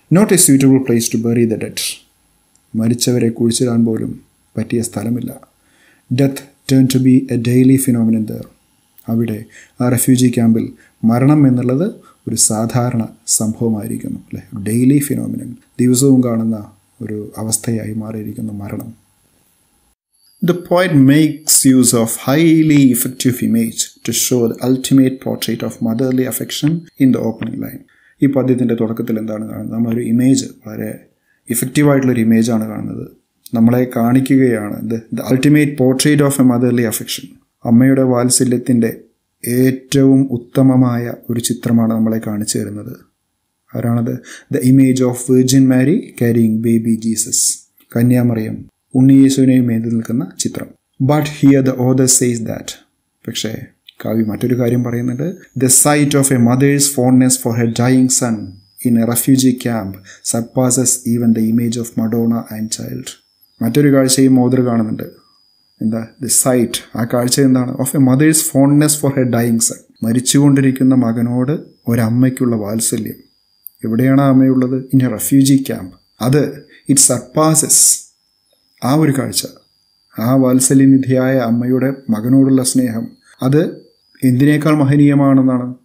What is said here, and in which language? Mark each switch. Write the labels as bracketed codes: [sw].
[en] not a suitable place to bury the dead, [ml] മരിച്ചവരെ കുഴിച്ചിടാൻ പോലും പറ്റിയ സ്ഥലമില്ല. [en] death turn to be a daily phenomenon there, [ml] അവിടെ ആ റെഫ്യൂജി ക്യാമ്പിൽ മരണം എന്നുള്ളത് ഒരു സാധാരണ സംഭവമായിരിക്കുന്നു അല്ലേ. ഡെയിലി ഫിനോമിനൻ, ദിവസവും കാണുന്ന ഒരു അവസ്ഥയായി മാറിയിരിക്കുന്നു മരണം. [en] The poet makes use of highly effective image to show the ultimate portrait of motherly affection in the opening line. [ml] ഈ പദ്യത്തിൻ്റെ തുടക്കത്തിൽ എന്താണ് കാണുന്നത്? നമ്മളൊരു ഇമേജ്, വളരെ ഇഫക്റ്റീവായിട്ടുള്ളൊരു ഇമേജാണ് കാണുന്നത്. നമ്മളെ കാണിക്കുകയാണ് [en] The ultimate portrait of a motherly affection. [ml] അമ്മയുടെ വാത്സല്യത്തിൻ്റെ ഏറ്റവും ഉത്തമമായ ഒരു ചിത്രമാണ് നമ്മളെ കാണിച്ചു തരുന്നത്. ആരാണത്? [en] the image of virgin Mary carrying baby Jesus, [ml] കന്യാമറിയം ഉണ്ണിയേശുവിനെയും എഴുതി നിൽക്കുന്ന ചിത്രം. [en] But here the author says that, [ml] പക്ഷേ കവി മറ്റൊരു കാര്യം പറയുന്നുണ്ട്, [en] the sight of a mother's fondness for her dying son in a refugee camp surpasses even the image of Madonna and child. [ml] മറ്റൊരു കാഴ്ചയും മോദർ കാണുന്നുണ്ട്. എന്താ [en] The sight? [ml] ആ കാഴ്ച എന്താണ്? [en] of a mother's fondness for her dying son, [ml] മരിച്ചുകൊണ്ടിരിക്കുന്ന മകനോട് ഒരമ്മയ്ക്കുള്ള വാത്സല്യം. എവിടെയാണ് ആ അമ്മയുള്ളത്? [en] In a refugee camp. [ml] അത് [en] it surpasses, [ml] ആ ഒരു കാഴ്ച, ആ വാത്സല്യനിധിയായ അമ്മയുടെ മകനോടുള്ള സ്നേഹം, അത് എന്തിനേക്കാൾ മഹനീയമാണെന്നാണ്?